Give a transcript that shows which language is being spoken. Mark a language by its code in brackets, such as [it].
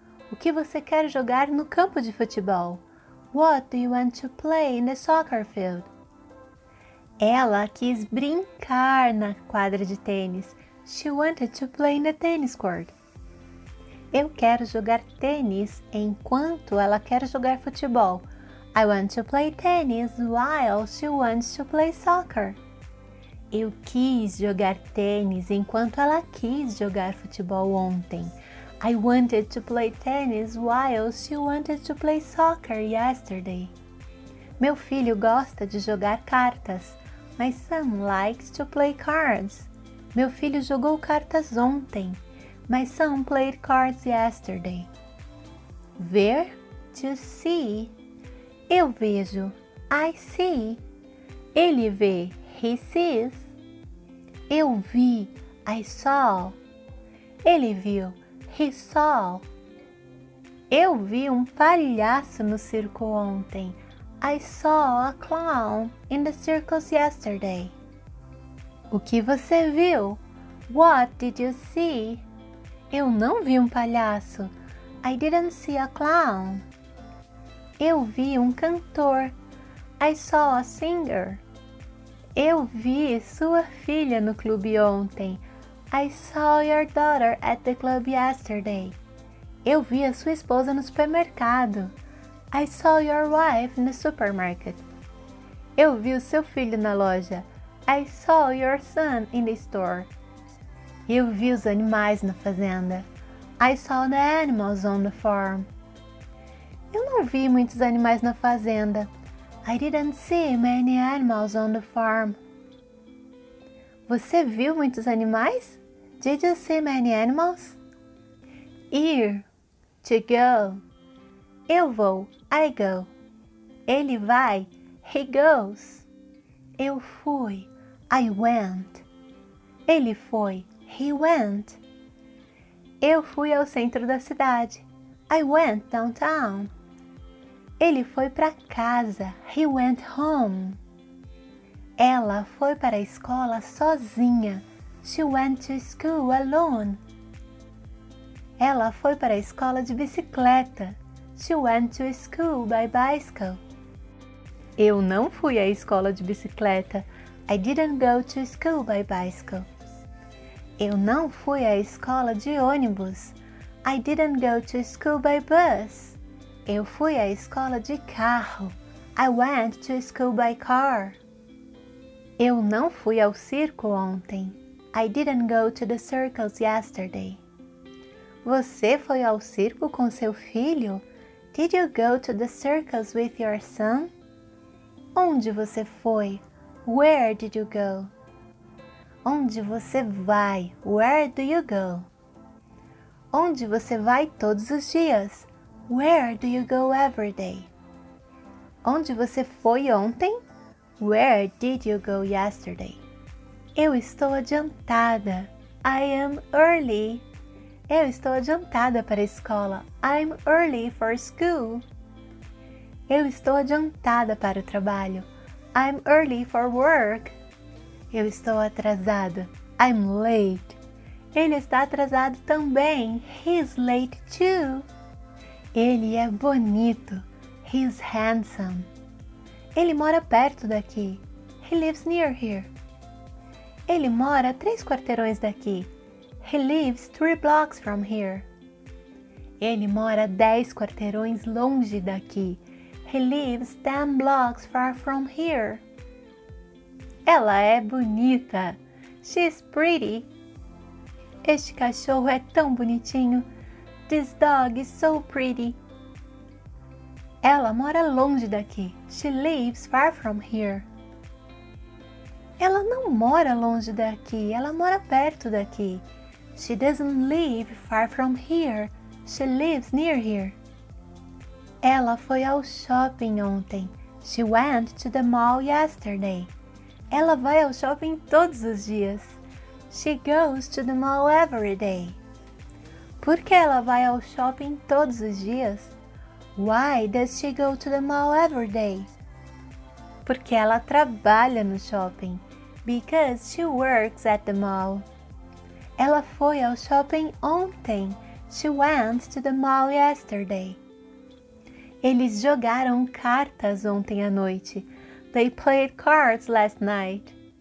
[pt] O que você quer jogar no campo de futebol? [en] What do you want to play in the soccer field? [pt] Ela quis brincar na quadra de tênis. [en] She wanted to play in the tennis court. [pt] Eu quero jogar tênis enquanto ela quer jogar futebol. [en] I want to play tennis while she wants to play soccer. [pt] Eu quis jogar tênis enquanto ela quis jogar futebol ontem. [en] I wanted to play tennis while she wanted to play soccer yesterday. [pt] Meu filho gosta de jogar cartas. [en] My son likes to play cards. [pt] Meu filho jogou cartas ontem. My son played cards yesterday. Ver, to see. Eu vejo, I see. Ele vê, [en] he sees. [pt] Eu vi, [en] I saw. [pt] Ele viu, [en] he saw. [pt] Eu vi um palhaço no circo ontem. [en] I saw a clown in the circus yesterday. [pt] O que você viu? [en] What did you see? [pt] Eu não vi um palhaço. [en] I didn't see a clown. [pt] Eu vi um cantor. [en] I saw a singer. [pt] Eu vi sua filha no clube ontem. [en] I saw your daughter at the club yesterday. [pt] Eu vi a sua esposa no supermercado. [en] I saw your wife in the supermarket. [pt] Eu vi o seu filho na loja. [en] I saw your son in the store. [pt] Eu vi os animais na fazenda. [en] I saw the animals on the farm. [pt] Eu não vi muitos animais na fazenda. [en] I didn't see many animals on the farm. [pt] Você viu muitos animais? [en] Did you see many animals? Ir, to go. [pt] Eu vou, [en] I go. [pt] Ele vai, [en] he goes. [pt] Eu fui, [en] I went. [pt] Ele foi, [en] he went. [pt] Eu fui ao centro da cidade. [en] I went downtown. [pt] Ele foi para casa. [en] He went home. [pt] Ela foi para a escola sozinha. [en] She went to school alone. [pt] Ela foi para a escola de bicicleta. [en] She went to school by bicycle. [pt] Eu não fui à escola de bicicleta. [en] I didn't go to school by bicycle. [pt] Eu não fui à escola de ônibus. [en] I didn't go to school by bus. [pt] Eu fui à escola de carro. [en] I went to school by car. [pt] Eu não fui ao circo ontem. [en] I didn't go to the circus yesterday. [pt] Você foi ao circo com seu filho? [en] Did you go to the circus with your son? [pt] Onde você foi? [en] Where did you go? [pt] Onde você vai? [en] Where do you go? [pt] Onde você vai todos os dias? [en] Where do you go every day? [pt] Onde você foi ontem? [en] Where did you go yesterday? [pt] Eu estou adiantada. [en] I am early. [pt] Eu estou adiantada para a escola. [en] I'm early for school. [pt] Eu estou adiantada para o trabalho. [en] I'm early for work. [pt] Eu estou atrasada. [en] I'm late. [pt] Ele está atrasado também. [en] He's late too. [pt] Ele é bonito. [en] He's handsome. [pt] Ele mora perto daqui. [en] He lives near here. [pt] Ele mora 3 quarteirões daqui. [en] He lives 3 blocks from here. [pt] Ele mora 10 quarteirões longe daqui. [en] He lives 10 blocks far from here. [pt] Ela é bonita. [en] She's pretty. [pt] Este cachorro é tão bonitinho. [en] This dog is so pretty. [pt] Ela mora longe daqui. [en] She lives far from here. [pt] Ela não mora longe daqui. Ela mora perto daqui. [en] She doesn't live far from here. She lives near here. [pt] Ela foi ao shopping ontem. [en] She went to the mall yesterday. [pt] Ela vai ao shopping todos os dias. [en] She goes to the mall every day. [pt] Por que ela vai ao shopping todos os dias? [en] Why does she go to the mall every day? [pt] Porque ela trabalha no shopping. [en] Because she works at the mall. [pt] Ela foi ao shopping ontem. [en] She went to the mall yesterday. [pt] Eles jogaram cartas ontem à noite. [en] They played cards last night.